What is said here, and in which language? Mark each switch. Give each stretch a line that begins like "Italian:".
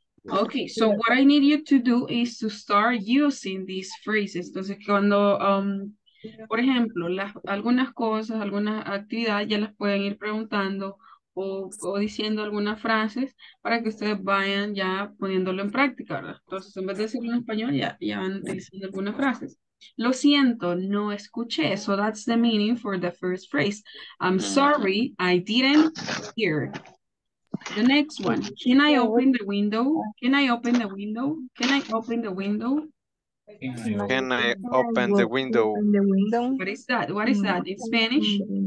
English: Okay, so what I need you to do is to start using these phrases.
Spanish: Entonces, cuando, por ejemplo, algunas cosas, algunas actividades, ya las pueden ir preguntando o diciendo algunas frases para que ustedes vayan ya poniéndolo en práctica, ¿verdad? Entonces, en vez de decirlo en español, ya van diciendo algunas frases. Lo siento, no escuché.
English: So that's the meaning for the first phrase. I'm sorry, I didn't hear. The next one. Can I open the window? Can I open the window? Can I open the window? Can I open the window? What is that? What is that in Spanish?